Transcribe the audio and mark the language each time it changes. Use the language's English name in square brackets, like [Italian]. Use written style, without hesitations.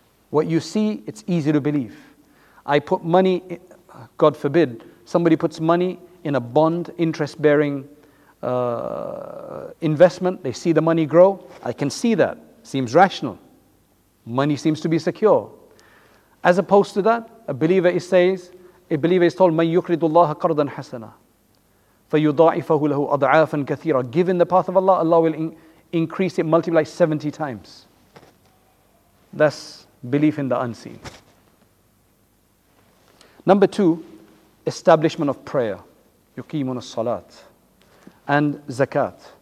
[English] What you see, it's easy to believe. I put money, God forbid, somebody puts money in a bond, interest-bearing investment, they see the money grow, I can see that, seems rational. Money seems to be secure. As opposed to that, a believer is told, [Arabic] مَنْ يُقْرِضُ اللَّهَ قَرْضًا حَسَنًا فَيُضَاعِفَهُ لَهُ أَضْعَافًا كَثِيرًا. [English] Given the path of Allah, Allah will increase it, multiply 70 times. That's belief in the unseen. Number two, establishment of prayer. [Arabic] يُقِيمُنَ الصَّلَاةِ [English] and zakat.